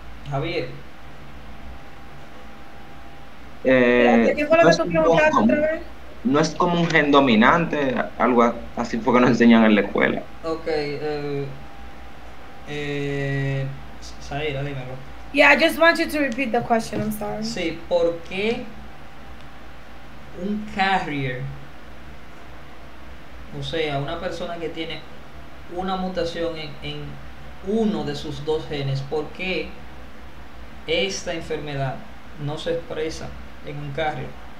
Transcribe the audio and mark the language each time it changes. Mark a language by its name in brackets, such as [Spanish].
[Spanish] Javier. ¿Qué fue lo que tú preguntaste otra vez? No es como un gen dominante, algo así fue que nos enseñan en la escuela. Ok. Zaira, dímelo. [English] Yeah, I just want you to repeat the question, I'm sorry. [Spanish] Sí, ¿por qué un carrier, o sea, una persona que tiene una mutación en uno de sus dos genes, por qué esta enfermedad no se expresa en un carrier?